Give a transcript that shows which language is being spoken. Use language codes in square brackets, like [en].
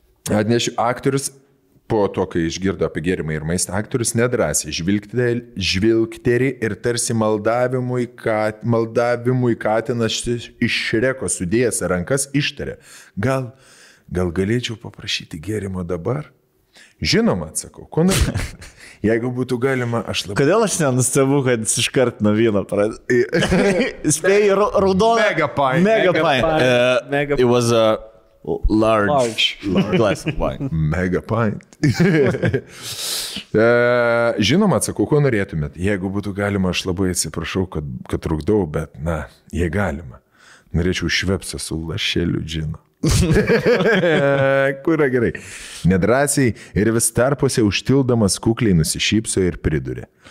[lt] Atnešiu aktorius po to, kai išgirdo apie gėrimą ir maistą, aktorius nedrąsiai žvilgterį ir tarsi maldavimui katinas iš šreko sudėjęs rankas ištarė. Gal galėčiau paprašyti gėrimo dabar? Žinoma, atsakau, ko nors. Jeigu būtų galima, aš labai... Kodėl aš nenustebu, kad jis iškart nuo vyno pradėjo? Spėjai raudoną... [en] Mega pint. It was a large glass of wine. Mega pint. [lt] Žinoma, atsakau, ko norėtumėt. Jeigu būtų galima, aš labai atsiprašau, kad trukdau, bet, na, jei galima. Norėčiau švepsio su lašeliu džino. Kūra gerai. Nedrąsiai ir vis tarpose užtildamas kukliai nusišypso ir priduria.